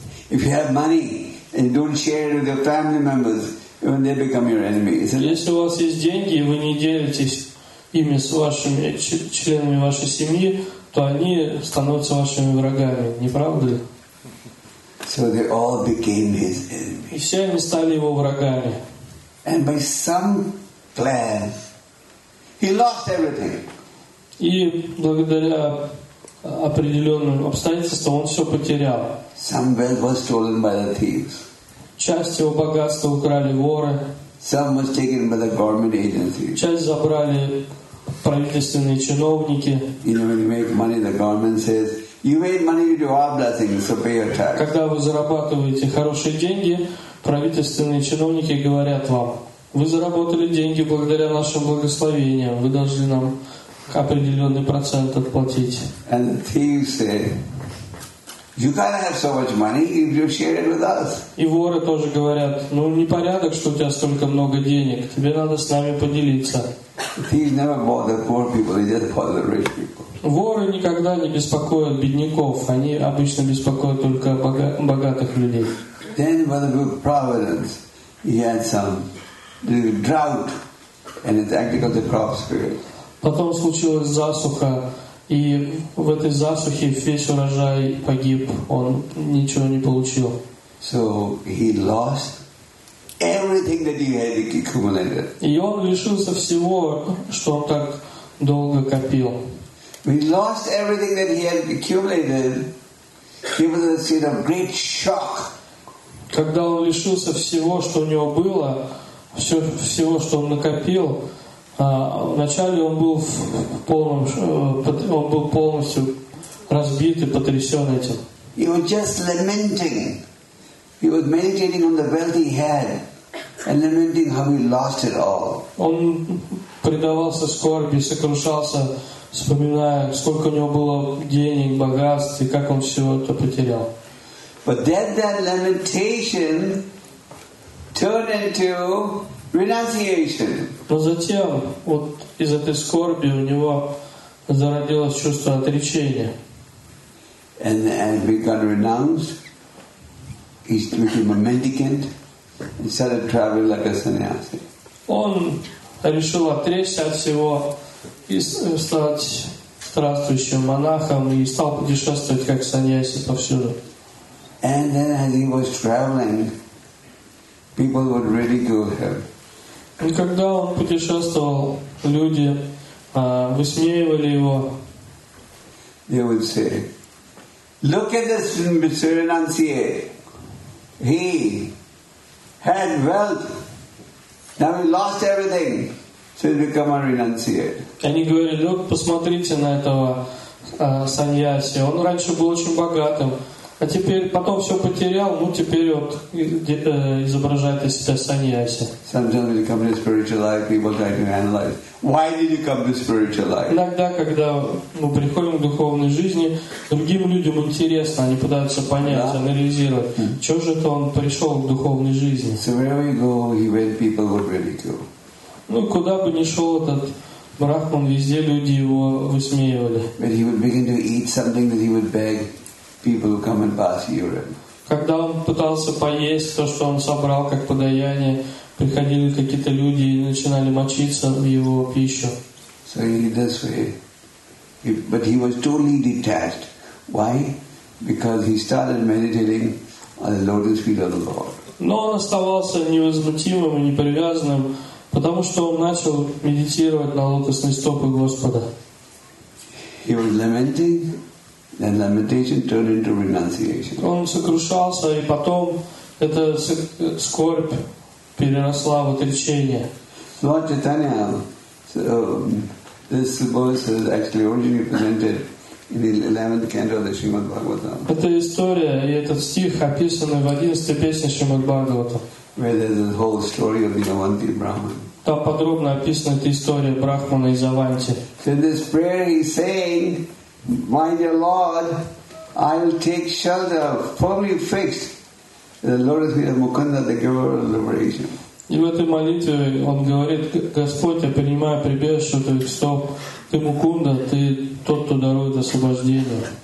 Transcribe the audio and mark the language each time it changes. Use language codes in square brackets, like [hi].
[en] If you have money and you don't share it with your family members, when they become your enemies. [ru] Если у вас есть деньги и вы не делитесь ими с вашими членами вашей семьи, то они становятся вашими врагами, не правда ли? [en] So they all became his enemies. [ru] И все они стали его врагами. [en] And by some plan, he lost everything. [ru] И благодаря определенным обстоятельствам он все потерял. [en] Some wealth was stolen by the thieves. [ru] Часть его богатства украли воры. [en] Some was taken by the government agencies. [ru] Часть забрали правительственные чиновники. [en] You know, when you make money, the government says, "You made money with your blessings, so pay your tax." [ru] Когда вы зарабатываете хорошие деньги, правительственные чиновники говорят вам: "Вы заработали деньги благодаря нашим благословениям. Вы должны нам определенный процент отплатить." [en] And the thieves say, "You gotta have so much money if you share it with us." [ru] И воры тоже говорят: "Ну непорядок, что у тебя столько много денег. Тебе надо с нами поделиться." [en] Thieves never bother poor people; they just bother rich people. [ru] Воры никогда не беспокоят бедняков. Они обычно беспокоят только богатых людей. [en] Then, by the good providence, he had some drought, and his agricultural crops failed. [ru] Потом случилась засуха. И в этой засухе весь урожай погиб, он ничего не получил. [en] So he lost everything that he had accumulated. [ru] И он лишился всего, что он так долго копил. [en] He lost everything that he had accumulated. He was in a state of great shock. [ru] Когда он лишился всего, что у него было, всего, что он накопил, вначале он был в полном, он был полностью разбит и потрясен этим. [en] He was just lamenting. He was meditating on the wealth he had and lamenting how he lost it all. [ru] Он предавался скорби, сокрушался, вспоминая, сколько у него было денег, богатств и как он все это потерял. [en] But then that lamentation turned into renunciation. [ru] Но затем вот из этой скорби у него зародилось чувство отречения. [en] And he got renounced. He became a mendicant and started traveling like a sannyasi. [ru] Он решил отречься от всего и стать странствующим монахом и стал путешествовать как сannyasi повсюду. [en] And then as he was traveling, people would ridicule him. [ru] И когда он путешествовал, люди высмеивали его. [en] They would say, Look at this Srinivasa. He had wealth. Now he lost everything. So he became a renunciate. [ru] Они говорили, [en] look, [ru] посмотрите на этого саньяси. Он раньше был очень богатым. А теперь потом все потерял, ну теперь вот изображает из себя саньяси. [en] Sometimes when you come to the spiritual life, people try to analyze. Why did you come to spiritual life? [ru] Иногда, когда мы приходим к духовной жизни, другим людям интересно, они пытаются понять, yeah. анализировать, mm-hmm. что же это он пришел к духовной жизни. [en] So wherever you go, even people would ridicule. [ru] Ну куда бы ни шел этот брахман, везде люди его высмеивали. [en] But he would begin to eat something that he would beg. People who come and pass urine. [ru] Когда он пытался поесть то, что он собрал как подаяние, приходили какие-то люди и начинали мочиться в его пищу. [en] So he did this way. But he was totally detached. Why? Because he started meditating on the lotus feet of the Lord. [ru] Но он оставался невозмутимым и непривязанным, потому что он начал медитировать на лотосные стопы Господа. [en] He was lamenting. Then lamentation turned into renunciation. [ru] Он сокрушался, и потом эта скорбь переросла в отречение. [en] Lord Chaitanya, so, this verse is actually originally presented in the 11th canto of the Srimad Bhagavatam. [ru] Эта история и этот стих описаны в 11-й песне Шримад Бхагавата. [en] Where there's a whole story of the Avanti Brahman. [ru] Там подробно описана эта история Брахмана из Аванти. [en] So in this prayer he's saying, my dear Lord, I will take shelter firmly fixed in the lotus feet of Mukunda, the giver of liberation. [ru] И в этой молитве он говорит, Господь, я принимаю прибежище твоих стоп, ты Мукунда, ты тот, кто дарует освобождение.